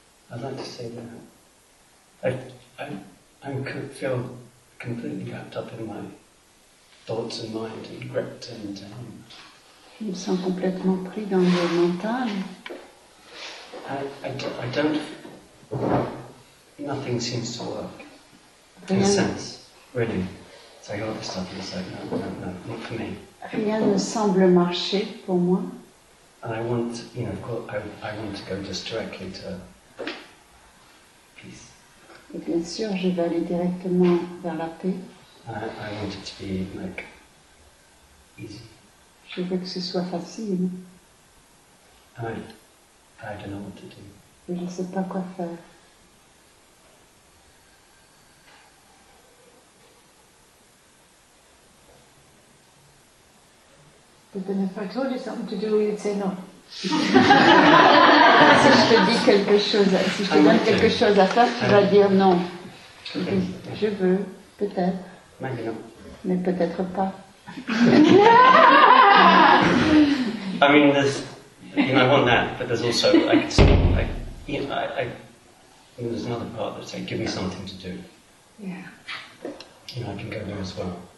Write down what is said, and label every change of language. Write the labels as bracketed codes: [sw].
[en] I'd like to say that I could feel completely wrapped up in my thoughts and mind and gripped and [fr] Je me sens complètement pris dans le mental. [en] I don't. Nothing seems to work. Rien. In a sense, really. It's like all this stuff is like, no, not for me. [fr] Rien ne semble marcher pour moi. [en] And I want, you know, of course, I want to go just directly to peace. [fr] Et bien sûr, je vais aller directement vers la paix. [en] I want it to be like easy. [fr] Je veux que ce soit facile. [en] I don't know what to do. [fr] Et je ne sais pas quoi faire. [en] But then if I told you something to do, you'd say no. [fr] Si je te dis quelque chose, si je te donne quelque chose à faire, tu vas dire non. [en] Okay. [fr] Je veux, peut-être. [en] Maybe not. [fr] Mais peut-être pas. [en] I mean, there's, you know, I want that, but there's also, like, it's, like, you know, I mean, there's another part that's like, give me something to do. Yeah. You know, I can go there as well.